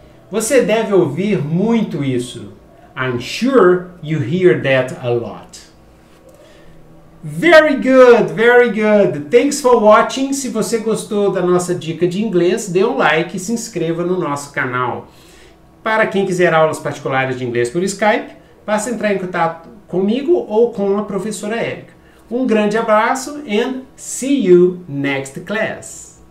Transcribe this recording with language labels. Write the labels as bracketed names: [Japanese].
[Portuguese] Você deve ouvir muito isso. [English] I'm sure you hear that a lot. Very good, very good. Thanks for watching. [Portuguese] Se você gostou da nossa dica de inglês, dê um like e se inscreva no nosso canal. Para quem quiser aulas particulares de inglês por Skype, basta entrar em contato comigo ou com a professora Erika. Um grande abraço [English] and see you next class.